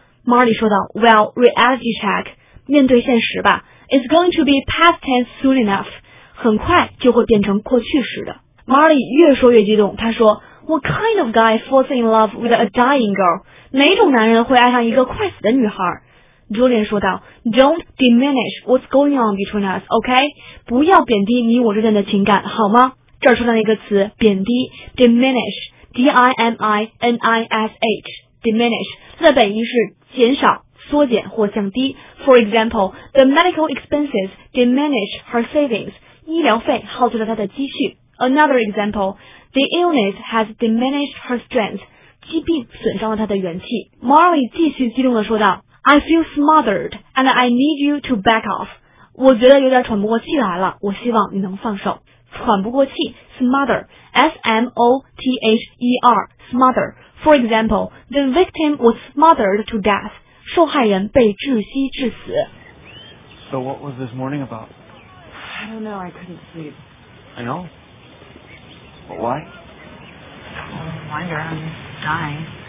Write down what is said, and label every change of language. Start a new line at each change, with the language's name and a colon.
English: Marty
Chinese: 说道
English: Well, reality check,
Chinese: 面对现实吧
English: It's going to be past tense soon enough,
Chinese: 很快就会变成过去时的。
English: Marty
Chinese: 越说越激动，他说
English: What kind of guy falls in love with a dying girl?
Chinese: 哪种男人会爱上一个快死的女孩？
English: Julian
Chinese: 说道
English: Don't diminish what's going on between us, okay?
Chinese: 不要贬低你我之间的情感，好吗？这儿出现了一个词，贬低 Diminish, D-I-M-I-N-I-S-H, Diminish, 它的本意是减少、缩减或降低。
English: For example, the medical expenses diminished her savings.
Chinese: 医疗费耗去了她的积蓄。
English: Another example, the illness has diminished her strength.
Chinese: 疾病损伤了她的元气。
English: Marley
Chinese: 继续激动地说道
English: I feel smothered and I need you to back off.
Chinese: 我觉得有点喘不过气来了，我希望你能放手。喘不过气 ,smother, S-M-O-T-H-E-R, smother.
English: For example, the victim was smothered to death.
Chinese: 受害人被窒息致死。
English: So what was this morning about? I don't know. I couldn't sleep. I know. But why? Well, wonder. I'm dying.